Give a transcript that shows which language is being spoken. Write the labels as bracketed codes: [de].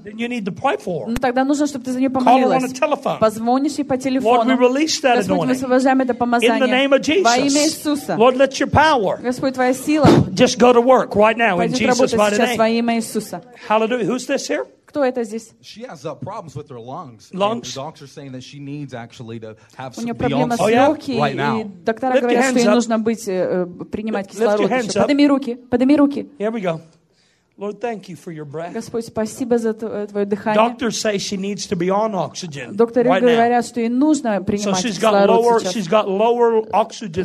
[en] Then you need to pray for her. [ru] Ну тогда нужно, чтобы ты за нее помолилась. [en] Call her on a telephone. [ru] Позвонишь ей по телефону. [en] Lord, we release that anointing. [ru] Господь, мы освобождаем это помазание. [en] In the name of Jesus. [ru] Во имя Иисуса. [en] Lord, let your power. [ru] Господь, твоя сила. [en] Just go to work right now in Jesus' mighty name. [ru] Пойдет работать сейчас во имя Иисуса. [en] Hallelujah. Who's this here? [ru] Кто это здесь? [en] She has problems with her lungs. Lungs. The doctor's saying that she needs actually to have some oxygen. [ru] У нее проблема с легкими. [en] Right now. [ru] Доктора говорят, что ей нужно принимать кислород. Подними руки. Подними руки. [en] Here we go. Lord, thank you for your breath. [ru] Господь, спасибо за твое дыхание. [en] Doctors say she needs to be on oxygen. [ru] Докторы говорят, что ей нужно принимать кислород. [en] So she's got lower, oxygen levels.